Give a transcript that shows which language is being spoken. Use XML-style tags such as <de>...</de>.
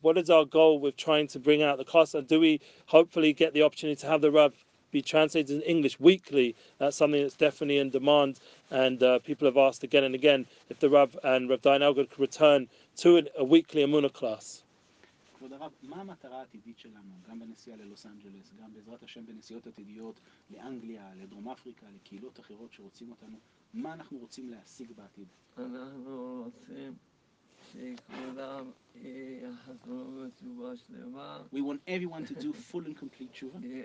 <en>What is our goal with trying to bring out the class? And do we hopefully get the opportunity to have the Rav be translated in English weekly? That's something that's definitely in demand, and people have asked again and again if the Rav and Rav Dayan Elgood could return to a weekly Emunah class.</en> <he>כבוד הרב, מה המטרה העתידית שלנו, גם בנסיעה ללוס אנג'לס, גם בעזרת השם בנסיעות עתידיות לאנגליה, לדרום אפריקה, לקהילות אחרות שרוצים אותנו, מה אנחנו רוצים להשיג בעתיד? אנחנו רוצים שכולם יחזרו בתשובה שלמה.</he> <en>We want everyone to do full and complete tshuva.</en>